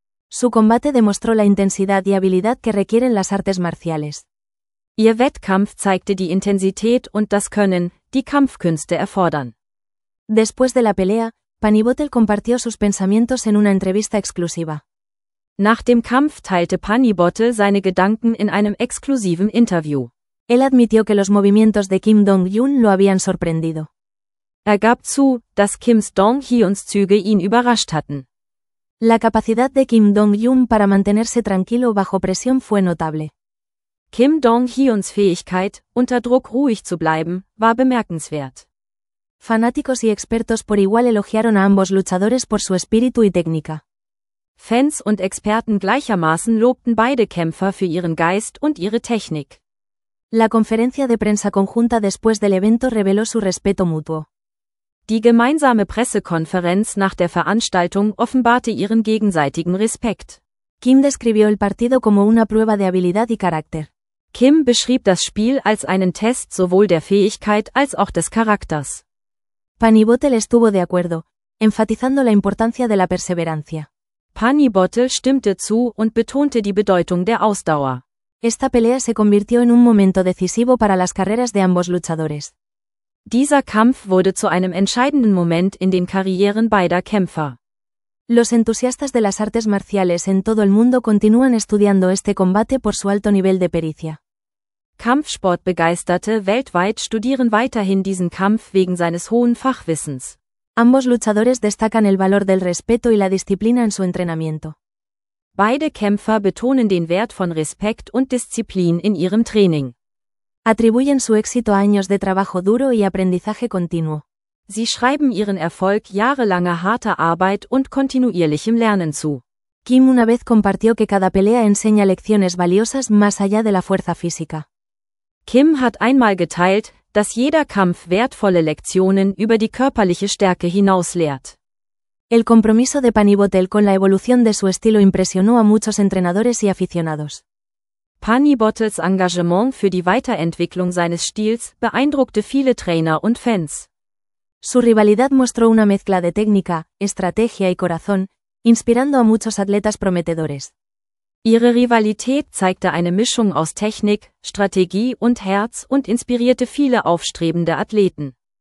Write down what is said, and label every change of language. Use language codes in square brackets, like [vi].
[es] Su combate demostró la intensidad y habilidad que requieren las artes marciales. [de] Ihr Wettkampf zeigte die Intensität und das Können, die Kampfkünste erfordern. [es] Después de la pelea, Pani Botel compartió sus pensamientos en una entrevista exclusiva. [de] Nach dem Kampf teilte Pani Botel seine Gedanken in einem exklusiven Interview. [es] Él admitió que los movimientos de Kim Dong-hyun lo habían sorprendido. [de] Gab zu, dass Kims Dong-hyuns Züge ihn überrascht hatten. [es] La capacidad de Kim Dong-hyun para mantenerse tranquilo bajo presión fue notable. [de] Kim Dong-hyuns Fähigkeit, unter Druck ruhig zu bleiben, war bemerkenswert. [es] Fanáticos y expertos por igual elogiaron a ambos luchadores por su espíritu y técnica. [de] Fans und Experten gleichermaßen lobten beide Kämpfer für ihren Geist und ihre Technik. [es] La conferencia de prensa conjunta después del evento reveló su respeto mutuo. [de] Die gemeinsame Pressekonferenz nach der Veranstaltung offenbarte ihren gegenseitigen Respekt. [es] Kim describió el partido como una prueba de habilidad y carácter. [de] Kim beschrieb das Spiel als einen Test sowohl der Fähigkeit als auch des Charakters. [es] Pani Botel estuvo de acuerdo, enfatizando la importancia de la perseverancia. [de] Pani Botel stimmte zu und betonte die Bedeutung der Ausdauer. [es] Esta pelea se convirtió en un momento decisivo para las carreras de ambos luchadores. [de] Dieser Kampf wurde zu einem entscheidenden Moment in den Karrieren beider Kämpfer. [es] Los entusiastas de las artes marciales en todo el mundo continúan estudiando este combate por su alto nivel de pericia. [de] Kampfsportbegeisterte weltweit studieren weiterhin diesen Kampf wegen seines hohen Fachwissens. [es] Ambos luchadores destacan el valor del respeto y la disciplina en su entrenamiento. [de] Beide Kämpfer betonen den Wert von Respekt und Disziplin in ihrem Training. [es] Atribuyen su éxito a años de trabajo duro y aprendizaje continuo. [de] Sie schreiben ihren Erfolg jahrelanger harter Arbeit und kontinuierlichem Lernen zu. [es] Kim una vez compartió que cada pelea enseña lecciones valiosas más allá de la fuerza física. [de] Kim hat einmal geteilt, dass jeder Kampf wertvolle Lektionen über die körperliche Stärke hinaus lehrt. [es] El compromiso de Pani Botel con la evolución de su estilo impresionó a muchos entrenadores y aficionados. [de] Pani Botels Engagement für die Weiterentwicklung seines Stils beeindruckte viele Trainer und Fans. [es] Su rivalidad mostró una mezcla de técnica, estrategia y corazón, inspirando a muchos atletas prometedores. [de] Ihre Rivalität zeigte eine Mischung aus Technik, Strategie und Herz und inspirierte viele aufstrebende Athleten.